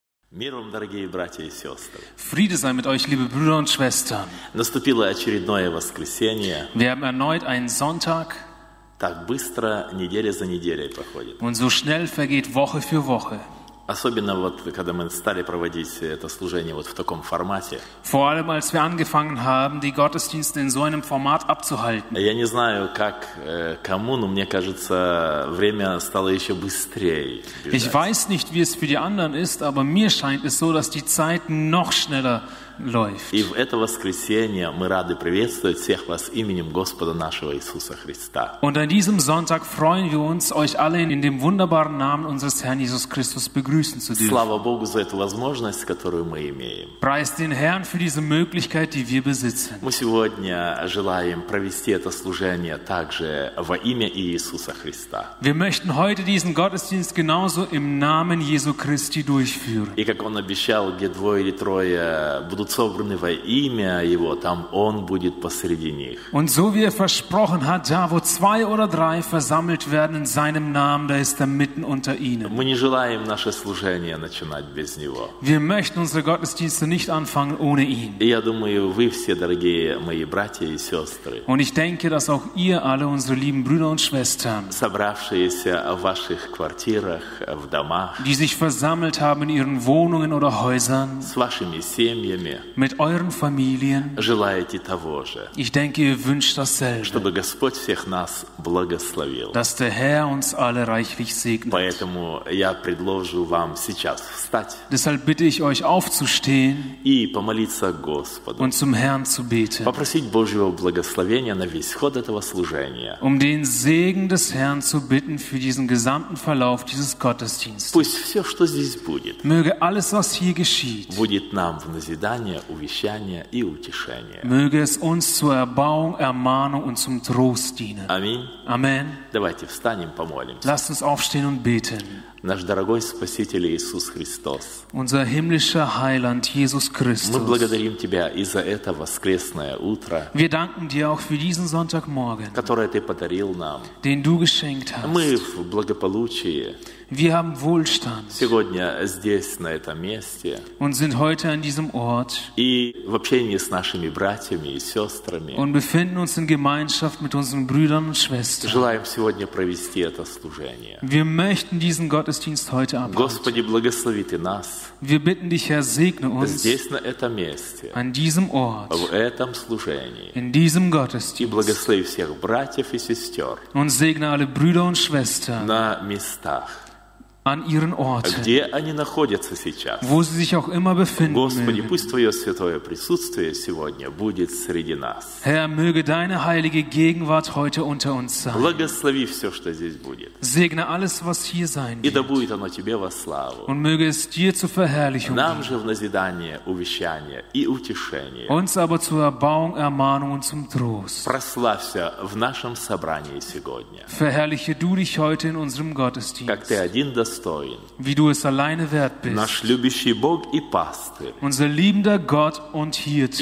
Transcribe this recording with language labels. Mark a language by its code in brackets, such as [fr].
[ru] Мир вам, дорогие братья и сестры. [de] Friede sei mit euch, liebe Brüder und Schwestern. [ru] Наступило очередное воскресенье. [de] Wir haben erneut einen Sonntag. [ru] Так быстро неделя за неделей проходит. [de] Und so schnell vergeht Woche für Woche. [ru] Особенно вот, когда мы стали проводить это служение вот в таком формате. [de] Vor allem, als wir angefangen haben, die Gottesdienste in so einem Format abzuhalten. [ru] Я не знаю, как кому, но мне кажется, время стало еще быстрее. [de] Ich weiß nicht, wie es für die anderen ist, aber mir scheint es so, dass die Zeit noch schneller läuft. [ru] И в это воскресенье мы рады приветствовать всех вас именем Господа нашего Иисуса Христа. [de] Und an diesem Sonntag freuen wir uns, euch alle in dem wunderbaren Namen unseres Herrn Jesus Christus begrüßen zu dürfen. [ru] Слава Богу за эту возможность, которую мы имеем. [de] Preist den Herrn für diese Möglichkeit, die wir besitzen. [ru] Мы сегодня желаем провести это служение также во имя Иисуса Христа. [de] Wir möchten heute diesen Gottesdienst genauso im Namen Jesu Christi durchführen. [ru] И как он обещал, где двое или трое будут собраны во имя Его, там Он будет посреди них. [de] Und so wie versprochen hat, da wo zwei oder drei versammelt werden in seinem Namen, da ist er mitten unter ihnen. [ru] Мы не желаем наше служение начинать без Него. [de] Wir möchten unsere Gottesdienste nicht anfangen ohne ihn. [ru] И я думаю, вы все, дорогие мои братья и сестры, [de] und ich denke, dass auch ihr alle, unsere lieben Brüder und Schwestern, [ru] собравшиеся в ваших квартирах, в домах, [de] die sich versammelt haben in ihren Wohnungen oder Häusern, [ru] с вашими семьями, [de] mit euren Familien, [ru] желаете того же, [de] ich denke, ihr wünscht dasselbe, [ru] чтобы Господь всех нас благословил, [de] dass der Herr uns alle reichlich segnet. [ru] Поэтому я предложу вам сейчас встать, [de] deshalb bitte ich euch aufzustehen, [ru] и помолиться Господу, [de] und zum Herrn zu beten, [ru] попросить Божьего благословения на весь ход этого служения, [de] um den Segen des Herrn zu bitten für diesen gesamten Verlauf dieses Gottesdienstes. [ru] Пусть все, что здесь будет, [de] möge alles, was hier geschieht, [ru] будет нам в назидание, увещание и утешение. [de] Möge es uns zur Erbauung, Ermahnung und zum Trost dienen. [ru] Аминь. [de] Amen. [ru] Давайте встанем, помолимся. [de] Lasst uns aufstehen und beten. [ru] Наш дорогой Спаситель Иисус Христос. [de] Unser himmlischer Heiland Jesus Christus. [ru] Мы благодарим тебя и за это воскресное утро. [de] Wir danken dir auch für diesen Sonntagmorgen. [ru] Которое ты подарил нам. [de] Den du geschenkt hast. [ru] Мы в благополучии. [de] Wir haben Wohlstand. [ru] Сегодня здесь на этом месте. [de] Und sind heute an diesem Ort. [ru] И в общении с нашими братьями и сестрами. [de] Und befinden uns in Gemeinschaft mit unseren Brüdern und Schwestern. [ru] Желаем сегодня провести это служение. [de] Wir möchten diesen Gottesdienst heute abhalten. [ru] Господи, благослови ты нас. [de] Wir bitten dich, Herr, segne uns. [ru] Здесь на этом месте. [de] An diesem Ort. [ru] В этом служении. [de] In diesem Gottesdienst. [ru] И благослови всех братьев и сестер. [de] Und segne alle Brüder und Schwestern. [ru] На местах. [de] An ihren Orten, [ru] где они находятся сейчас, [de] wo sie sich auch immer befinden, [ru] Господи, пусть Твое святое присутствие сегодня будет среди нас. [de] Herr, möge deine heilige Gegenwart heute unter uns sein. [ru] Благослови все, что здесь будет. [de] Segne alles, was hier sein wird. [ru] И да будет оно тебе во славу. [de] Und möge es dir zur Verherrlichung. [ru] Нам же в назидание, увещание и утешение. [de] Uns aber zur Erbauung, Ermahnung und zum Trost. [ru] Прославься в нашем собрании сегодня. [de] Verherrliche du dich heute in unserem Gottesdienst. [ru] Как ты один [de] wie du es alleine wert bist. [ru] Наш любящий Бог и пастырь. [de] Unser liebender Gott und Hirte.